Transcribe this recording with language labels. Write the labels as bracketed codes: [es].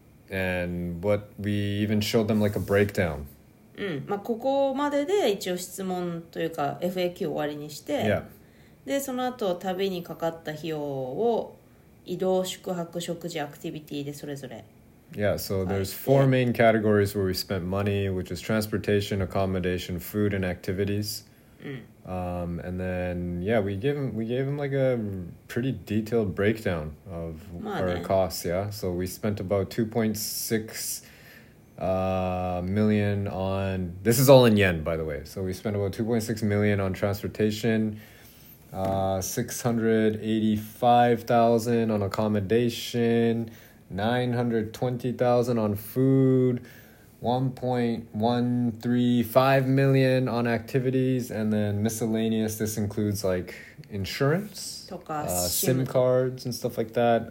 [en] And what we even showed them like a breakdown. [ja] まあここまでで一応質問というか FAQ 終わりにして、 [en] yeah. [ja] でその後旅にかかった費用を移動、宿泊、食事、アクティビティでそれぞれ。 [en] Yeah, so there's four main categories where we spent money, which is transportation, accommodation, food and activities. And then yeah, we gave him like a pretty detailed breakdown of、 [ja] まあね、 [en] our costs. Yeah, so we spent about 2.6 million on, this is all in yen by the way, so we spent about 2.6 million on transportation, 685,000 on accommodation, 920,000 on food, 1.135 million on activities, and then miscellaneous, this includes like insurance, SIM cards and stuff like that.